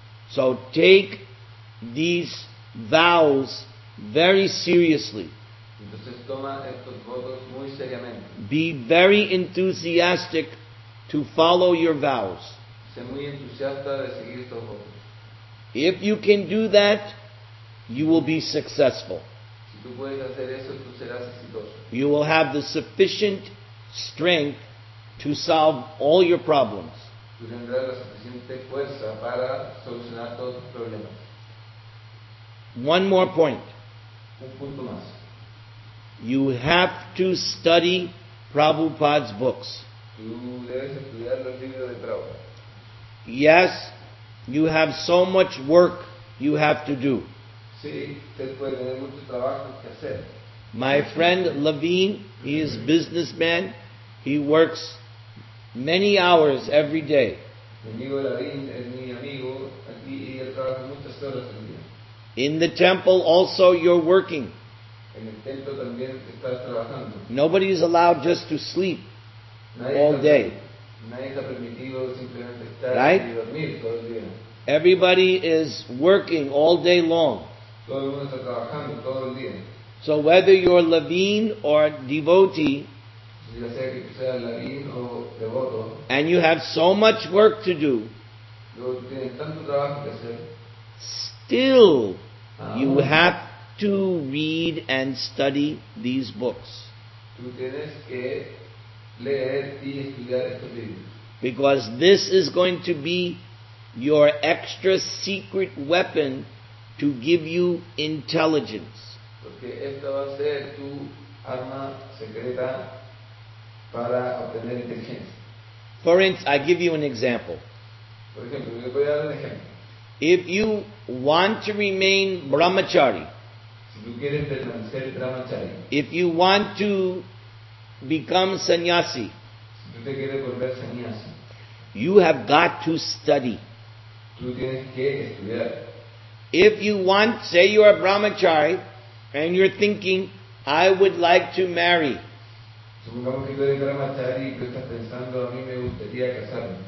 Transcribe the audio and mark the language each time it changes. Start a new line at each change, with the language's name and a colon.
English: So take these vows very seriously.
Spanish: Entonces, toma estos votos muy seriamente.
English: Be very enthusiastic to follow your vows.
Spanish: Sé muy entusiasta de seguir estos votos.
English: If you can do that, you will be successful.
Spanish: Si tú puedes hacer eso, tú serás exitoso.
English: You will have the sufficient strength to solve all your problems.
Spanish: Tú tendrás la suficiente fuerza para solucionar todos tus problemas.
English: One more point.
Spanish: Un punto más.
English: You have to study Prabhupada's books.
Spanish: Tú debes estudiar los libros de Prabhupada.
English: Yes, you have so much work you have to do.
Spanish: Sí, usted puede tener mucho trabajo que hacer.
English: My friend Levine, he is a businessman. He works many hours every day.
Spanish: Mi amigo Levine es mi amigo aquí y él trabaja muchas horas.
English: In the temple also you're working.
Spanish: En el templo también estás trabajando.
English: Nobody is allowed just to sleep all day.
Spanish: Nadie está permitido simplemente estar
English: right?
Spanish: Y dormir todo el día.
English: Everybody is working all day long.
Spanish: Todo el mundo está trabajando todo el día.
English: So whether you're Levine or devotee,
Spanish: ya sea que sea Levine o devoto,
English: and you have so much work to do,
Spanish: tienes tanto trabajo que hacer,
English: still, you have to read and study these books.
Spanish: Tú tienes que leer y estudiar estos libros.
English: Because this is going to be your extra secret weapon to give you intelligence.
Spanish: Porque esta va a ser tu arma secreta para obtener inteligencia.
English: For instance, I give you an example.
Spanish: Por ejemplo, yo voy a dar un ejemplo.
English: If you want to remain brahmachari,
Spanish: si tú quieres permanecer brahmachari,
English: if you want to become sannyasi,
Spanish: si tú te quieres volver sannyasi,
English: you have got to study.
Spanish: Tú tienes que estudiar.
English: If you want, say you are a brahmachari and you're thinking, I would like to marry,
Spanish: supongamos que tú eres brahmachari y tú estás pensando, a mí me gustaría casarme,